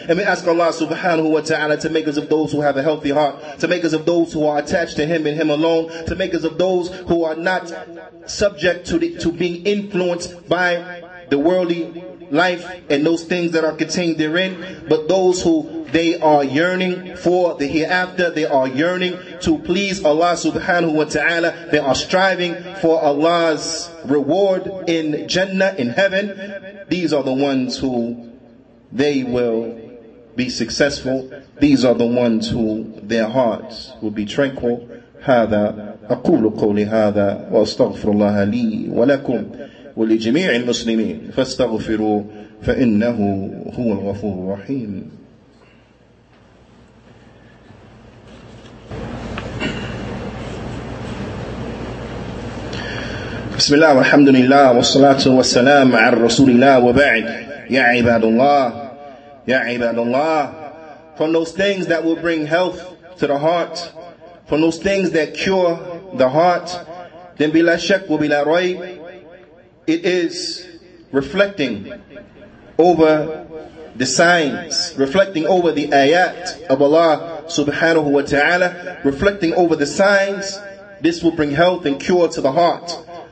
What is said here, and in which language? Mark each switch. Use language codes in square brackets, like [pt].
[en] And we ask Allah subhanahu wa ta'ala to make us of those who have a healthy heart, to make us of those who are attached to Him and Him alone, to make us of those who are not subject to being influenced by the worldly life and those things that are contained therein, but those who they are yearning for the hereafter, they are yearning to please Allah subhanahu wa ta'ala, they are striving for Allah's reward in Jannah, in heaven. These are the ones who they will be successful. These are the ones who their hearts will be tranquil. [ar] هذا أقول قولي هذا وأستغفر الله لي ولكم ولجميع المسلمين فاستغفروا فإنه هو الغفور الرحيم. بسم الله والحمد لله والصلاة والسلام على رسول الله وبعد يا عباد الله يا عباد الله. [en] From those things that will bring health to the heart, from those things that cure the heart, then [ar] بلا شك وبلا ريب, [en] it is reflecting over the signs, reflecting over the ayat of Allah subhanahu wa ta'ala, reflecting over the signs, this will bring health and cure to the heart.